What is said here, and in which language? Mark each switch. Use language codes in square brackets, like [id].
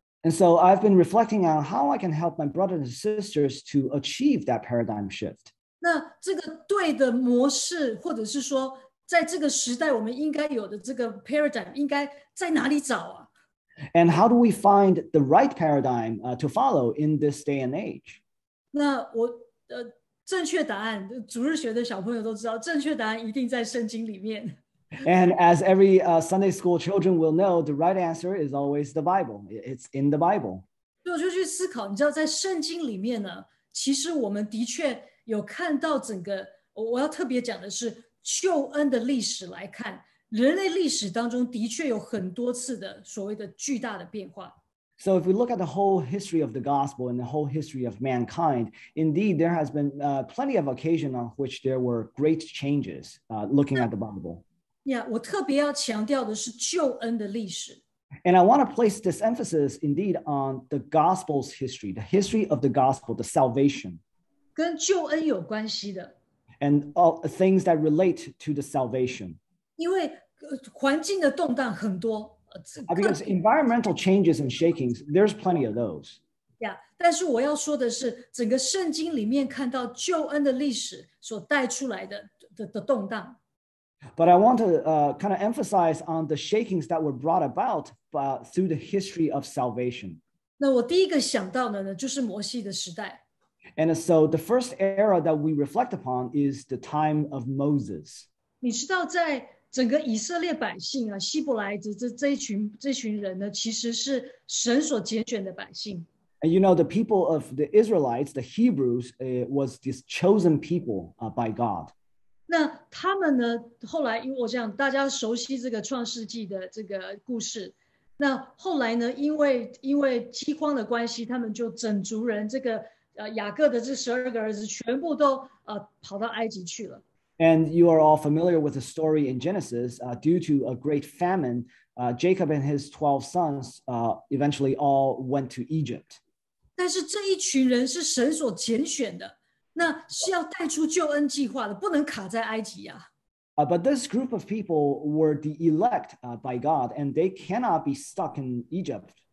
[en] And so I've been reflecting on how I can help my brothers and sisters to achieve that paradigm shift. [zh] 那这个对的模式，或者是说在这个时代我们应该有的这个 paradigm 应该在哪里找啊？ [en] And how do we find the right paradigm to follow in this day and age? [zh] 那我正确答案，主日学的小朋友都知道，正确答案一定在圣经里面。 [en] And as every Sunday school children will know, the right answer is always the Bible. It's in the Bible. [zh] 我就去思考，你知道，在圣经里面呢，其实我们的确有看到整个，我要特别讲的是，救恩的历史来看，人类历史当中的确有很多次的所谓的巨大的变化。 [en] So if we look at the whole history of the gospel and the whole history of mankind, indeed, there has been plenty of occasion on which there were great changes looking at the Bible. [zh] Yeah, 我特别要强调的是救恩的历史。 [en] And I want to place this emphasis indeed on the gospel's history, the history of the gospel, the salvation. [zh] 跟救恩有关系的。 [en] And all things that relate to the salvation. [zh] 因为环境的动荡很多。 [en] Because environmental changes and shakings, there's plenty of those. [zh] Yeah, 但是我要说的是，整个圣经里面看到救恩的历史所带出来的动荡。 [en] But I want to kind of emphasize on the shakings that were brought about through the history of salvation. [zh] 那我第一个想到的呢，就是摩西的时代。 [en] And so the first era that we reflect upon is the time of Moses. [zh] 你知道在整个以色列百姓啊，希伯来的 这群人呢，其实是神所拣选的百姓。 [en] And you know, the people of the Israelites, the Hebrews, was this chosen people by God. [zh] 那他们呢，后来因为我想大家熟悉这个创世纪的这个故事，那后来呢，因为饥荒的关系，他们就整族人这个雅各的这十二个儿子全部都跑到埃及去了。 [en] And you are all familiar with the story in Genesis, due to a great famine, Jacob and his 12 sons eventually all went to Egypt. [zh] 但是这一群人是神所拣选的，那是要带出救恩计划的，不能卡在埃及啊。 [en] But this group of people were the elect by God, and they cannot be stuck in Egypt.